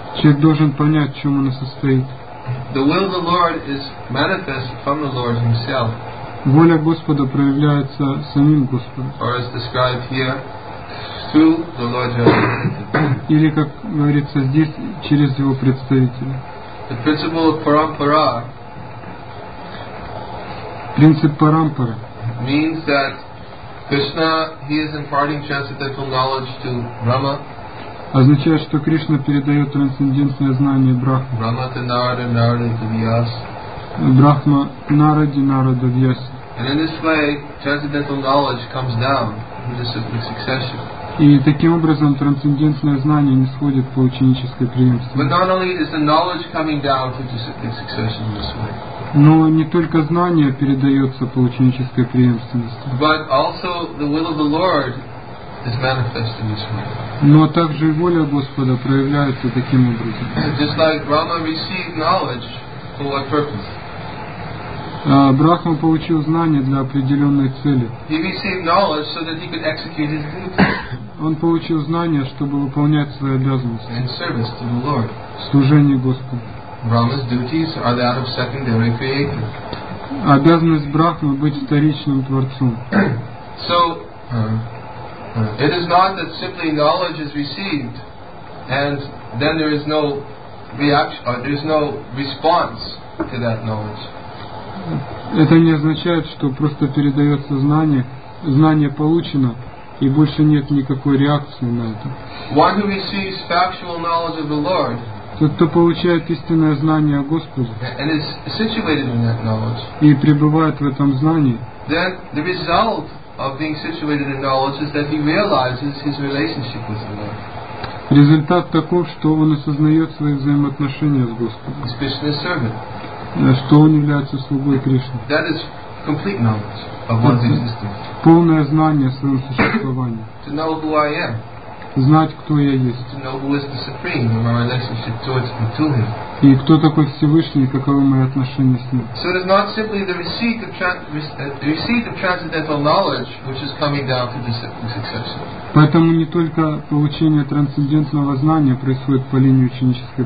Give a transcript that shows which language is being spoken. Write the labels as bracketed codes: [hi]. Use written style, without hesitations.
[ru] Человек должен понять, в чем оно состоит. [en] The will of the Lord is manifest from the Lord himself. [ru] Воля Господа проявляется самим Господом. [en] Or as described here, through the Lord [ru] или, как говорится здесь, через его представителя. [en] The principle of parampara, [ru] принцип парампара, [en] means that Krishna, he is imparting transcendental knowledge to Brahma. [ru] Означает, что Кришна передает трансцендентное знание Брахме. [en] Brahma to Narada, Narada to Vyas. [ru] Брахма Нараде, Нарада Вьяс. [en] And in this way, transcendental knowledge comes down in succession. [ru] И таким образом трансцендентное знание нисходит по ученической преемственности. [en] But not only is the knowledge coming down to discipline succession in this way. [ru] Но не только знание передается по ученической преемственности. [en] But also the will of the Lord is manifest in this way. [ru] Но также и воля Господа проявляется таким образом. [en] Just like Brahma received knowledge, for what purpose? [ru] Брахма получил знание для определенной цели. [en] He received knowledge so that he could execute his duty. [ru] Он получил знание, чтобы выполнять свои обязанности. [en] And service to the Lord. [ru] Служение Господу. [en] Brahma's duties are that of secondary creator. [ru] Обязанность Брахмы быть вторичным творцом. [en] So, it is not that simply knowledge is received and then there is no reaction, or there is no response to that knowledge. [ru] Это не означает, что просто передается знание, знание получено, и больше нет никакой реакции на это. [en] One who receives factual knowledge of the Lord, [ru] тот, кто получает истинное знание о Господе, [en] and is situated in that knowledge, [ru] и пребывает в этом знании, [en] then the result of being situated in knowledge is that he realizes his relationship with the Lord. [ru] Результат таков, что он осознает свои взаимоотношения с Господом. [en] He's Krishna's servant. [ru] Что он является слугой Кришны. [en] That is complete knowledge of one's existence. [ru] Полное знание о своем существовании. [en] To know who I am. [ru] Знать, кто я есть. [en] To know who is the supreme and my relationship towards and to him. [ru] И кто такой Всевышний, каковы мои отношения с ним. [en] So it is not simply the receipt of transcendental knowledge which is coming down to discipline succession. [ru] Поэтому не только получение трансцендентного знания происходит по линии ученической